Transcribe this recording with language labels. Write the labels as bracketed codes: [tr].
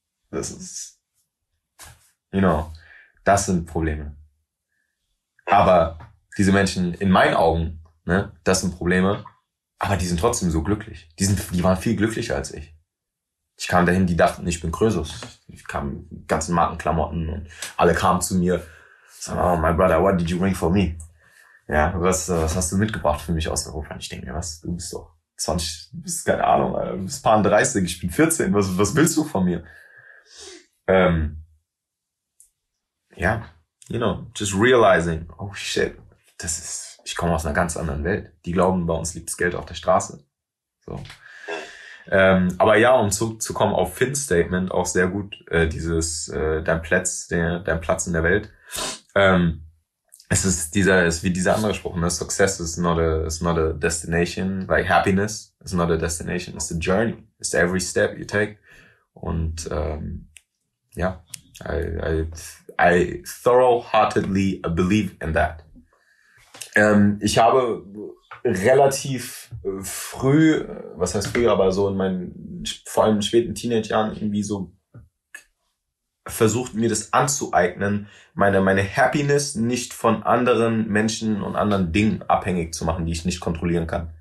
[de] Das ist, [en] you know, [de] das sind Probleme. Aber diese Menschen in meinen Augen, ne, das sind Probleme, aber die sind trotzdem so glücklich. Die waren viel glücklicher als ich. Ich kam dahin, die dachten, ich bin Krösus. Ich kam mit ganzen Markenklamotten und alle kamen zu mir. [en] Oh, my brother, what did you bring for me? [de] Ja, was hast du mitgebracht für mich aus Europa? Und ich denke mir, was, du bist doch 20, du bist keine Ahnung, du bist paar 30, ich bin 14, was willst du von mir? Ja, [en] you know, just realizing, oh shit, [de] ich komme aus einer ganz anderen Welt. Die glauben, bei uns liegt das Geld auf der Straße. So. Aber ja, um zurückzukommen auf Finns Statement, auch sehr gut, dein Platz in der Welt. Es ist wie dieser andere Spruch, ne? [en] Success is not a destination, like happiness is not a destination, it's a journey, it's every step you take. Und I thoroughheartedly believe in that. [de] Ich habe relativ früh, was heißt früh, aber so in meinen vor allem späten Teenage-Jahren irgendwie so versucht, mir das anzueignen, meine Happiness nicht von anderen Menschen und anderen Dingen abhängig zu machen, die ich nicht kontrollieren kann.